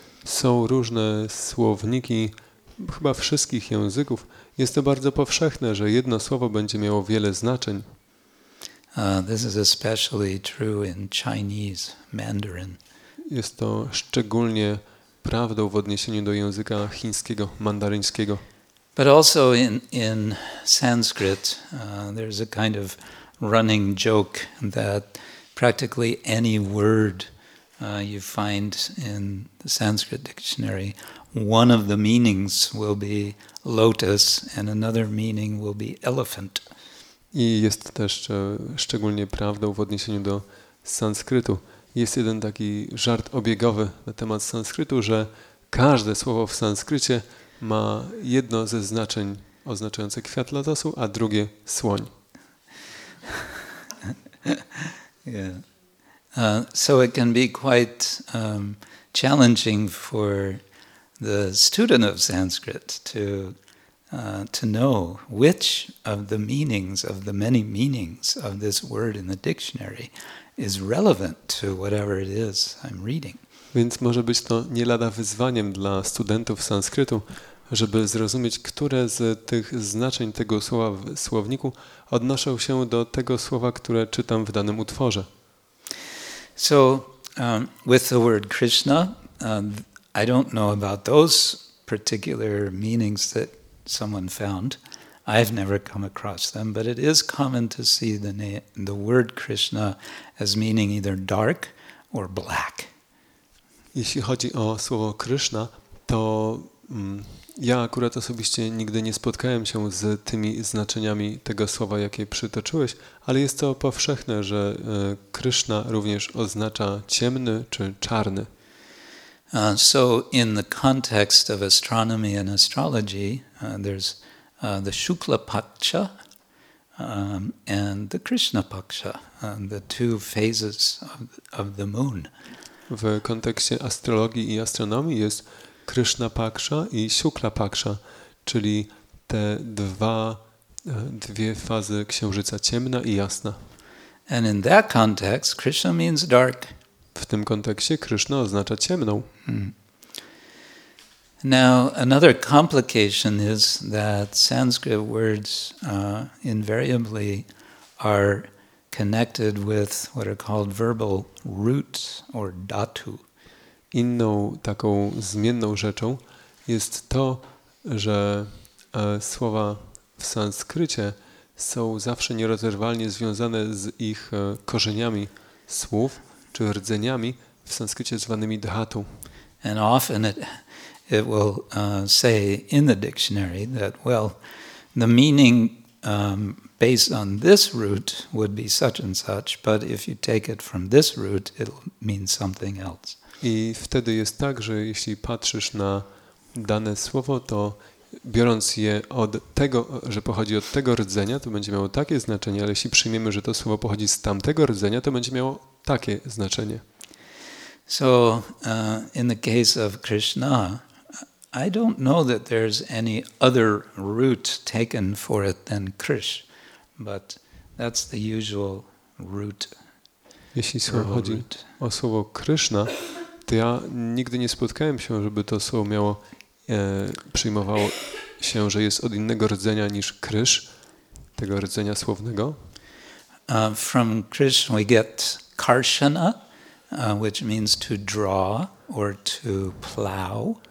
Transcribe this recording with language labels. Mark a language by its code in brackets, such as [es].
[pl] Są różne słowniki chyba wszystkich języków. Jest to bardzo powszechne, że jedno słowo będzie miało wiele znaczeń. [en] This is especially true in Chinese Mandarin. [pl] Jest to szczególnie prawdą w odniesieniu do języka chińskiego, mandaryńskiego. [en] But also in Sanskrit, there's a kind of running joke that practically any word you find in the Sanskrit dictionary, one of the meanings will be lotus and another meaning will be elephant. [pl] I jest też szczególnie prawdą w odniesieniu do sanskrytu. Jest jeden taki żart obiegowy na temat sanskrytu, że każde słowo w sanskrycie ma jedno ze znaczeń oznaczające kwiat lotosu, a drugie słoń. [en] So it can be quite challenging for the student of Sanskrit to know which of the meanings of the many meanings of this word in the dictionary is relevant to whatever it is I'm reading. [pl] Więc może być to nie lada wyzwaniem dla studentów sanskrytu, żeby zrozumieć, które z tych znaczeń tego słowa w słowniku odnoszą się do tego słowa, które czytam w danym utworze. [en] So with the word Krishna, I don't know about those particular meanings that someone found. I've never come across them, but it is common to see the word Krishna as meaning either dark or black. [pl] Jeśli chodzi o słowo Krishna, to ja akurat osobiście nigdy nie spotkałem się z tymi znaczeniami tego słowa, jakie przytoczyłeś, ale jest to powszechne, że Krishna również oznacza ciemny czy czarny. [en] So in the context of astronomy and astrology, there's the Shukla Paksha and the Krishna Paksha, the two phases of the moon. [pl] W kontekście astrologii i astronomii jest Krishna Paksha i Shukla Paksha, czyli te dwa dwie fazy księżyca, ciemna i jasna. [en] And in that context, Krishna means dark. [pl] W tym kontekście Krishna oznacza ciemną. [en] Now, another complication is that Sanskrit words invariably are connected with what are called verbal roots or dhatu. [pl] Inną taką zmienną rzeczą jest to, że słowa w sanskrycie są zawsze nierozerwalnie związane z ich korzeniami słów czy rdzeniami w sanskrycie zwanymi dhatu. [en] And often it will say in the dictionary that, well, the meaning based on this root would be such and such, but if you take it from this root, it'll mean something else. [pl] I wtedy jest tak, że jeśli patrzysz na dane słowo, to biorąc je od tego, że pochodzi od tego rdzenia, to będzie miało takie znaczenie, ale jeśli przyjmiemy, że to słowo pochodzi z tamtego rdzenia, to będzie miało takie znaczenie. [en] So, in the case of Krishna, I don't know that there's any other root taken for it than Krish, but that's the usual root. [pl] Jeśli chodzi o słowo Krishna, to ja nigdy nie spotkałem się, żeby to słowo miało przyjmowało się, że jest od innego rdzenia niż Krish, tego rdzenia słownego. [en] From Krish we get Karshana, which means to draw or to plow.